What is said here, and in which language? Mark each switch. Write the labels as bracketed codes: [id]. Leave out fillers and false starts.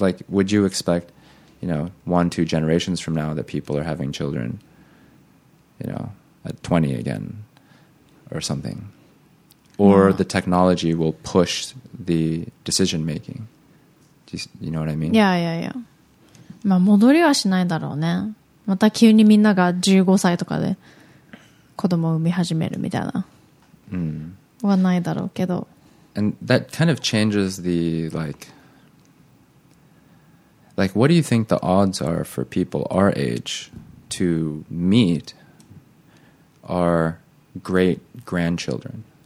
[en] Like, would you expect, you know, one, two generations from now that people are having children, you know, at 20 again or something? Or the technology will push the decision making. You know what I mean? Yeah, yeah, yeah. [ja] まあ戻りはしないだろうね。また急にみんなが15歳とかで子供を産み始めるみたいな。うん。はないだろうけど。 [en] And that kind of changes the, like, what do you think the odds are for people our age to meet our great-grandchildren?